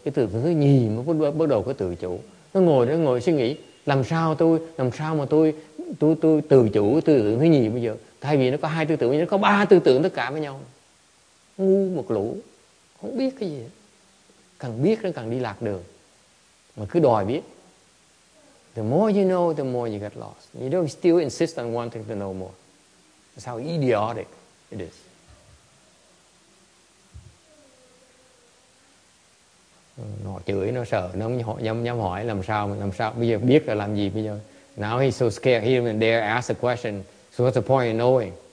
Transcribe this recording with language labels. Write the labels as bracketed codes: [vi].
[vi] Cái tư tưởng thứ nhì mới bắt đầu có tự chủ. Nó ngồi suy nghĩ, làm sao mà tôi tự chủ tư tưởng thứ nhì bây giờ. Thay vì nó có hai tư tưởng, nó có ba tư tưởng tất cả với nhau. Ngu một lũ, không biết cái gì. Càng biết nó càng đi lạc đường. Mà cứ đòi biết. [en] The more you know, the more you get lost. You don't still insist on wanting to know more. That's how idiotic it is. [vi] Họ chửi, nó sợ, nó nhắm hỏi làm sao, bây giờ biết là làm gì bây giờ. [en] Now he's so scared, he didn't dare ask the question, so what's the point of knowing?